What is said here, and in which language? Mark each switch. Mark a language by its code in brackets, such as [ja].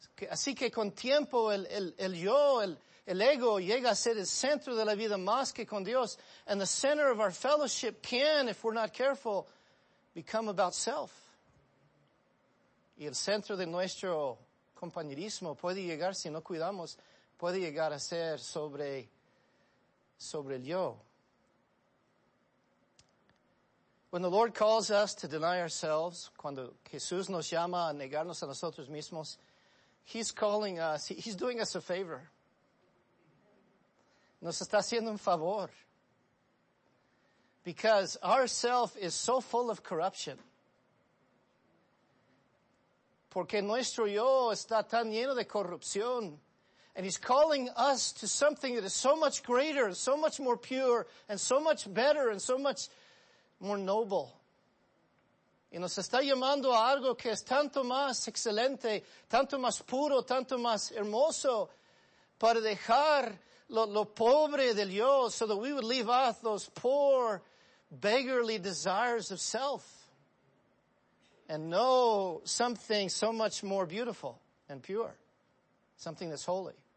[es] Así que con tiempo el yo, el ego llega a ser el centro de la vida más que con Dios. [en] And the center of our fellowship can, if we're not careful, become about self. [es] Y el centro de nuestro compañerismo puede llegar, si no cuidamos, puede llegar a ser sobre el yo. [en] When the Lord calls us to deny ourselves, [es] cuando Jesús nos llama a negarnos a nosotros mismos, [en] He's calling us, He's doing us a favor. [es] Nos está haciendo un favor. [en] Because our self is so full of corruption. [es] Porque nuestro yo está tan lleno de corrupción. [en] And He's calling us to something that is so much greater, so much more pure, and so much better, and so much more noble. [es] Y nos está llamando a algo que es tanto más excelente, tanto más puro, tanto más hermoso, para dejar lo pobre del yo, [en] so that we would leave off those poor, beggarly desires of self and know something so much more beautiful and pure, something that's holy.